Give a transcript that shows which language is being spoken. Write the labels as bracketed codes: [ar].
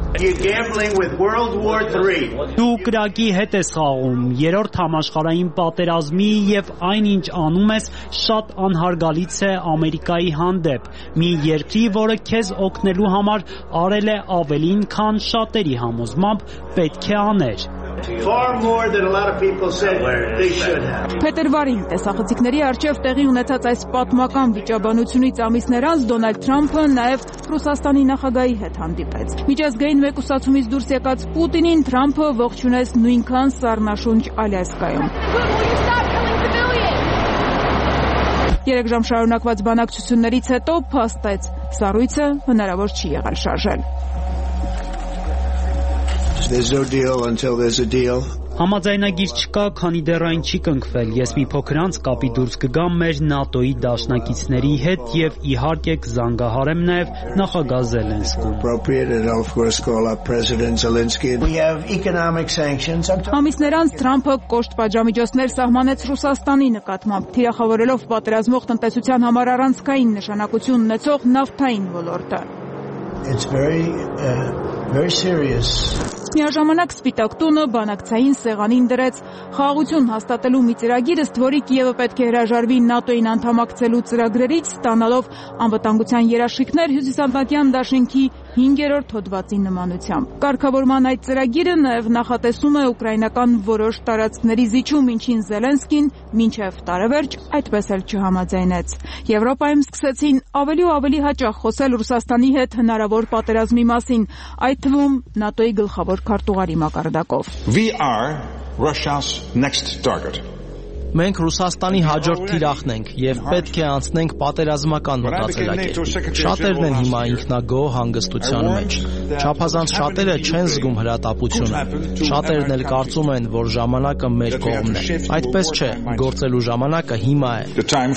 [hy] Դու կրակի հետ ես խաղում, երրորդ համաշխարհային պատերազմի և այն ինչ անում ես շատ անհարգալից է Ամերիկայի հանդեպ, մի երկրի, որը քեզ օգնելու համար արել է ավելին, քան շատերի համոզմամբ պետք է աներ։ [en] Far more than a lot of people said they should have. [hy] Փետր վարին տեսախցիկների առջև տեղի ունեցած այս պատմական վիճաբանությունից ամիսներ անց Դոնալդ Թրամփը նաև Ռուսաստանի նախագահի հետ հանդիպեց։ Միջազգային մեկուսացումից դուրս եկած Պուտինին Թրամփը ողջունեց նույնքան սառնաշունչ Ալյասկայում։ Երեք ժամ շարունակված բանակցություններից հետո փաստեց, սառույցը հնարավոր չի եղել շարժել։ [en] There's no deal until there's a deal. [hy] Համաձայնագիր չկա, քանի դեռ այն չի կնքվել։ Ես մի փոքր անց կապի դուրս կգամ մեր ՆԱՏՕ-ի դաշնակիցների հետ եւ իհարկե կզանգահարեմ նաեւ նախագահ Զելենսկուն։ Ամիսներ անց Թրամփը կոշտ պատժամիջոցներ սահմանեց Ռուսաստանի նկատմամբ, թիրախավորելով պատերազմող տնտեսության համար առանցքային նշանակություն ունեցող նավթային ոլորտը։ [en] It's very very serious. [hy] Միաժամանակ Սպիտակ տունը բանակցային սեղանին դրեց խաղաղություն հաստատելու մի ծրագիր, ըստ որի Կիևը պետք է հրաժարվի ՆԱՏՕ-ին անդամակցելու ծրագրերից, ստանալով անվտանգության երաշխիքներ Հյուսիսատլանտյան դաշնակի 5-րդ հոդվածի նմանությամբ։ Կարգավորման այդ ծրագիրը նաև նախատեսում է ուկրաինական որոշ տարածքների զիջում, ինչին Զելենսկին մինչև տարեվերջ այդպես էլ չհամաձայնեց։ Եվրոպայում սկսեցին ավելի ու ավելի հաճախ խոսել Ռուսաստանի հետ հնարավոր պատերազմի մասին, այդ թվում ՆԱՏՕ-ի գլխավոր քարտուղարի մակարդակով։ [en] We are Russia's next target. [hy] Մենք Ռուսաստանի հաջորդ թիրախն ենք և պետք է անցնենք պատերազմական մտածելակերպ։ Շատերն են հիմա ինքնագոհ հանգստության մեջ։ Չափազանց շատերը չեն զգում հրատապությունը։ Շատերն էլ կարծում են, որ ժամանակը մեր կողմն է։ Այդպես չէ, գործելու ժամանակը հիմա է։